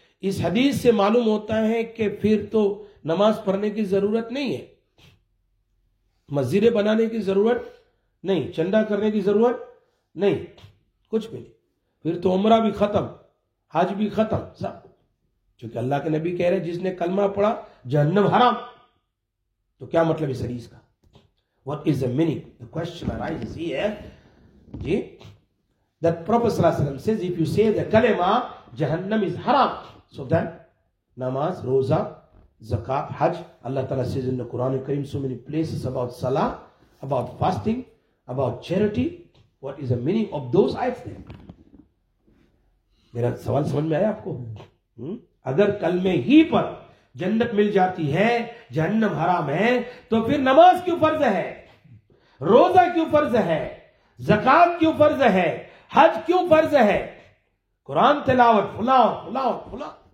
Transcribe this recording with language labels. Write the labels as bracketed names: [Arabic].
[Urdu] اس حدیث سے معلوم ہوتا ہے کہ پھر تو نماز پڑھنے کی ضرورت نہیں ہے, مسجدیں بنانے کی ضرورت نہیں, چندہ کرنے کی ضرورت نہیں, کچھ بھی نہیں. پھر تو عمرہ بھی ختم, حج بھی ختم سب, چونکہ اللہ کے نبی کہہ رہے جس نے کلمہ پڑھا جہنم حرام. تو کیا مطلب اس حدیث کا؟ [English] What is the meaning? The question arises here. جی, that Prophet صلی اللہ علیہ وسلم says if you say the kalima jahannam is haram, so then namaz, roza, zakat, haj. Allah Ta'ala says in the Quran Kareem so many places about salah, about fasting, about charity. What is the meaning of those ayats then? [Urdu] میرا سوال سمجھ میں آیا آپ کو؟ اگر کلمے ہی پر جنت مل جاتی ہے جہنم حرام ہے تو پھر نماز کیوں فرض ہے, روزہ کیوں فرض ہے, زکات کیوں فرض ہے, حج کیوں فرض ہے, قرآن تلاوت فلاں فلاں فلاں,